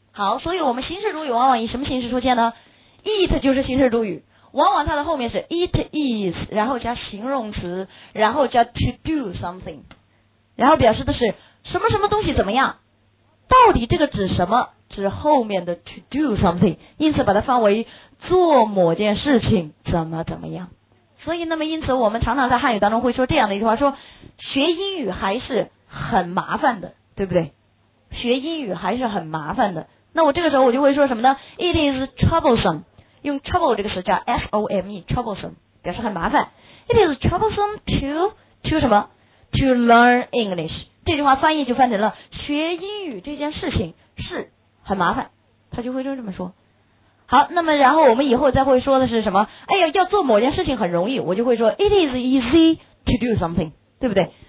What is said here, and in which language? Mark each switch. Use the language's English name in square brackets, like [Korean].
[Chinese] 好，所以我们形式主语往往以什么形式出现呢？it 就是形式主语，往往它的后面是 it is， 然后加形容词，然后加 [English] to do something， [Chinese] 然后表示的是什么什么东西怎么样，到底这个指什么，指后面的 to do something， 因此把它放为做某件事情怎么怎么样。所以那么因此我们常常在汉语当中会说这样的一句话，说学英语还是很麻烦的，对不对？学英语还是很麻烦的。那我这个时候我就会说什么呢？ [English] It is troublesome， [Chinese] 用 trouble 这个词叫 S-O-M-E， troublesome 表示很麻烦。 [English] It is troublesome to [Chinese] 什么 [English] To learn English， [Chinese] 这句话翻译就翻成了学英语这件事情是很麻烦，他就会就这么说。好，那么然后我们以后再会说的是什么？哎呀，要做某件事情很容易，我就会说 [English] It is easy to do something， [Chinese] 对不对？